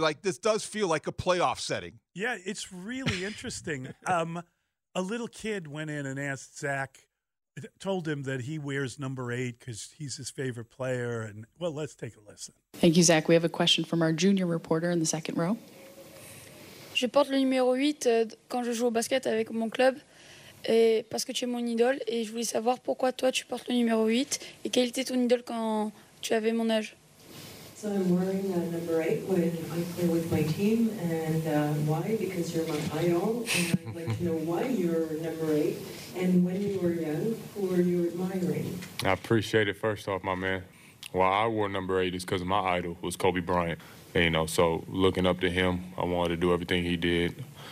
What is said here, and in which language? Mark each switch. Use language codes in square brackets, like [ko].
[en] You're like, this does feel like a playoff setting. Yeah, it's really interesting. A little kid went in and asked Zach, told him that he wears number 8 because he's his favorite player. And well, let's take a listen. Thank you, Zach. We have a question from our junior reporter in the second row. [fr] Je porte le numéro 8 quand je joue au basket avec mon club. Et parce que tu es mon idole, et je voulais savoir pourquoi toi tu portes le numéro 8 et quelle était ton idole quand tu avais mon âge. [en] So I'm wearing number 8 when I play with my team, and why? Because you're my idol, and I'd like to know why you're number 8, and when you were young, who were you admiring? I appreciate it, first off, my man. Why I wore number 8 is because my idol was Kobe Bryant, and, you know, so looking up to him, I wanted to do everything he did.